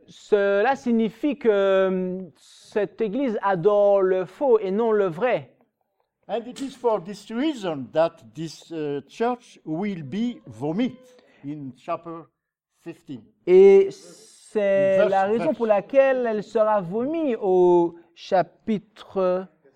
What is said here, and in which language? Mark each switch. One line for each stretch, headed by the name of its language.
French: Cela signifie que cette église adore le faux et non le vrai.
English: And it is for this reason that this church will be vomit in chapter 15.
French: Et c'est la raison pour laquelle elle sera vomie au chapitre